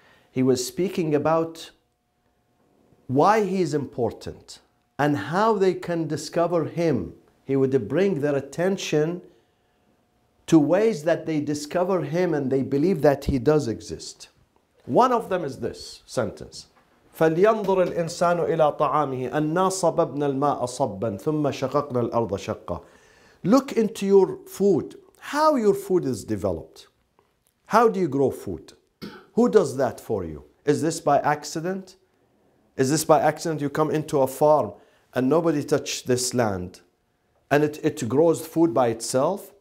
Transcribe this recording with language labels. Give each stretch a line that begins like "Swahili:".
English: He was speaking about why he is important and how they can discover him. He would bring their attention to ways that they discover him and they believe that he does exist. One of them is this sentence.
Arabic: فلينظر الإنسان إلى طعامه أنا صببنا الماء صبا ثم شققنا الأرض شقا.
English: Look into your food. How your food is developed? How do you grow food? Who does that for you? Is this by accident? Is this by accident you come into a farm and nobody touched this land and it grows food by itself?